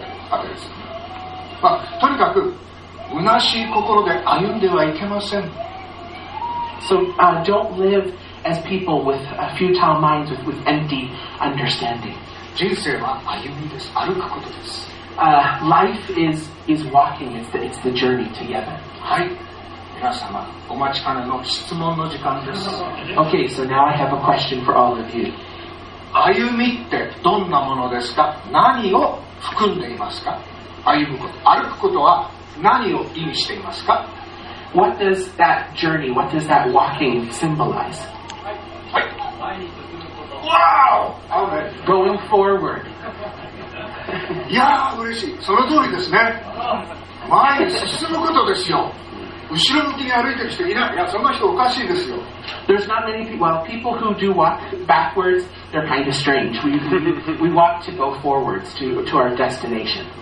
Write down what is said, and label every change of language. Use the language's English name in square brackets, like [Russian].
[Japanese] 17節、18節、19節、まあ、とにかく虚しい心で歩んではいけません。 [English] So don't live as people with a futile minds with empty understanding. [Japanese] 人生は歩みです。歩くことです。 [English] Life is walking. It's the journey together. [Japanese] はい。皆様、お待ちかねの質問の時間です。 [English] Okay, so now I have a question for all of you. [Japanese] 歩みってどんなものですか？何を含んでいますか？歩むこと、歩くことは何を意味していますか？ [English] What does that journey, what does that walking symbolize? はい。Wow! Amen. Going forward. [Japanese] いやー、嬉しい。その通りですね。前に進むことですよ。後ろ向きに歩いてる人いない。いや、そんな人おかしいですよ。 [English] There's not many people. Well, people who do walk backwards, they're kind of strange. We walk to go forwards to our destination.